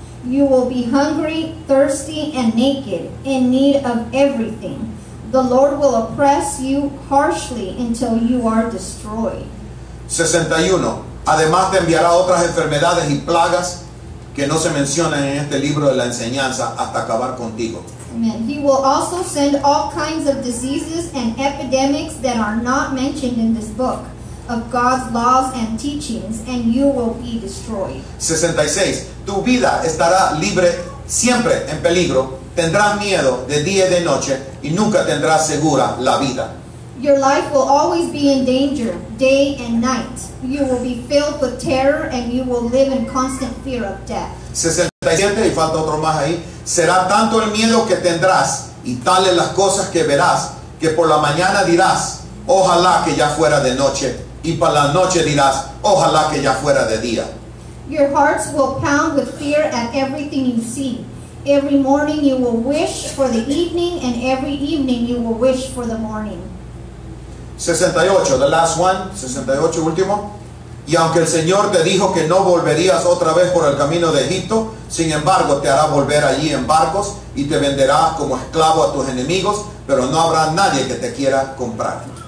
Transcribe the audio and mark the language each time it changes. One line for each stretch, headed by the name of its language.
English: You will be hungry, thirsty, and naked, in need of everything. The Lord will oppress you harshly until you are destroyed. 61.
Spanish: Además te enviará otras enfermedades y plagas que no se mencionan en este libro de la enseñanza hasta acabar contigo. Amen.
English: He will also send all kinds of diseases and epidemics that are not mentioned in this book of God's laws and teachings, and you will be destroyed. 66.
Spanish: Tu vida estará libre, siempre en peligro, tendrás miedo de día y de noche, y nunca tendrás segura la vida.
English: Your life will always be in danger, day and night. You will be filled with terror, and you will live in constant fear of death.
Spanish: 67, y falta otro más ahí. Será tanto el miedo que tendrás, y tales las cosas que verás, que por la mañana dirás, ojalá que ya fuera de noche, y para la noche dirás, ojalá que ya fuera de día.
English: Your hearts will pound with fear at everything you see. Every morning you will wish for the evening, and every evening you will wish for the morning. 68, the last one, 68, último.
Spanish: Y aunque el Señor te dijo que no volverías otra vez por el camino de Egipto, sin embargo te hará volver allí en barcos y te venderá como esclavo a tus enemigos, pero no habrá nadie que te quiera comprar.